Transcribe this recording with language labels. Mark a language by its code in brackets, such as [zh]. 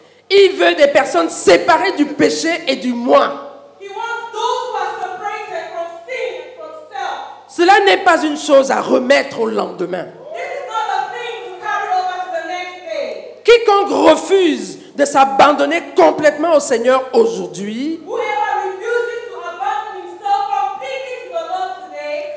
[fr] Il veut des personnes séparées du péché et du moi. [en] He wants those who are separated from sin and from self. [fr] Cela n'est pas une chose à remettre au lendemain. [en] This is not a thing to carry over to the next day. [fr] Quiconque refuse de s'abandonner complètement au Seigneur aujourd'hui, [en] whoever refuses to abandon himself completely to the Lord today,